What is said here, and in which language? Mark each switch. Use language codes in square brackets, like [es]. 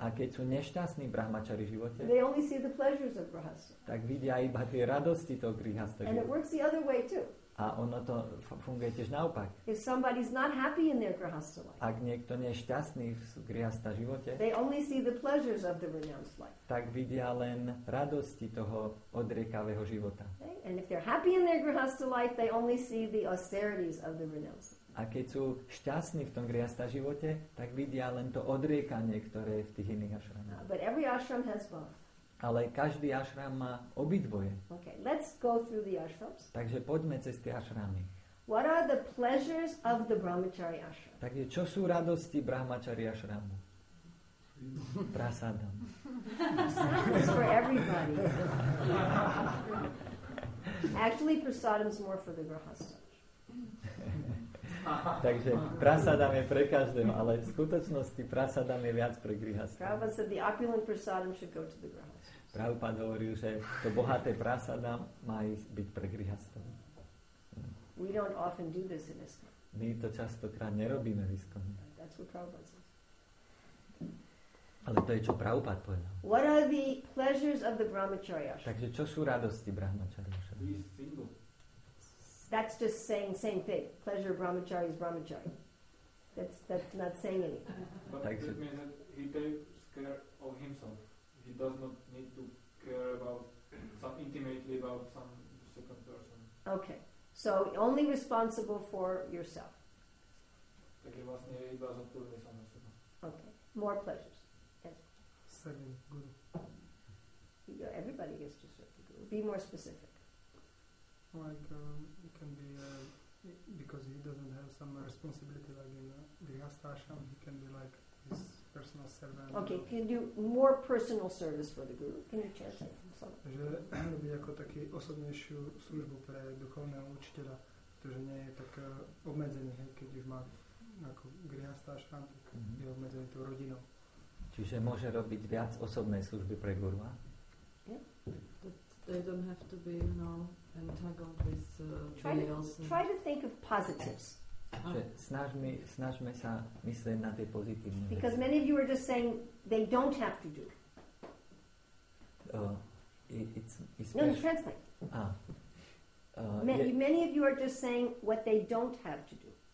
[sk] a keď sú nešťastní v brahmachari živote, [en] they only see the pleasures of grihastha. [sk] Tak vidia iba tie radosti toho grihastha [en] life. And it works the other way too. [sk] A ono to funguje tiež naopak. [en] If somebody's not happy in their grihastha life, [sk] ak niekto nie je šťastný v grihastha živote, [en] they only see the pleasures of the renounced life. [sk] Tak vidia len radosti toho odriekavého života. [en] Okay? And if they're happy in their grihastha life, they only see the austerities of the renounced life. [sk] A keď sú šťastní v tom grihastha živote, tak vidia len to odriekanie, ktoré je v tých iných ashramoch. [en] But every ashram has both. [sk] Ale každý ashram má obidvoje. [en] Okay, let's go through the ashrams. [sk] Takže poďme cez tie ashramy. [en] What are the pleasures of the brahmachari ashram? [sk] Takže čo sú radosti brahmachari ashramu? [en] Prasadam. It's for everybody. Actually, prasadam is more for the grihastha. [sk] Takže prasadam je pre každého, ale v skutočnosti prasadam je viac pre grihastha. [en] Prabhupada said the opulent prasadam should go to the grihastha. [sk] Prabhupada hovoril, že to bohaté prasada má byť pre grihastov. [en] We don't often do this in ISKCON. [sk] My to častokrát nerobíme v ISKCON. [en] That's what Prabhupada says. [sk] Ale to je, čo Prabhupada povedal. [en] What are the pleasures of the brahmacharya? [sk] Takže čo sú radosti brahmacharya? [en] Be single. That's just saying same thing. Pleasure brahmacharya is brahmacharya. That's not saying anything. But it means that he takes care of himself. He does not need to care about some intimately about some second person. Okay. So only responsible for yourself. [sk] Takže vlastne iba zodpovedný sám za seba. [en] Okay. More pleasures. Yes. Serving guru. Everybody gets to serve the guru. Be more specific. Like it can be because he doesn't have some responsibility like in the Astasham, he can be like his personal servant. Okay, can you do more personal service for the guru? Can you chant something? [sk] Že robí ako taký osobnejšiu službu pre duchovného učiteľa, pretože nie je tak obmedzený, hej, keď už má ako Grihastasham, tak je obmedzený tou rodinou. Čiže môže robiť viac osobnej služby pre guru? [en] Yeah. They don't have to be, you know, entangled with anybody else. Try to think of positives. Snažme sa myslieť na tie pozitívne veci. Because many of you are just saying they don't have to do. It's translate. Many of you are just saying what they don't have to do.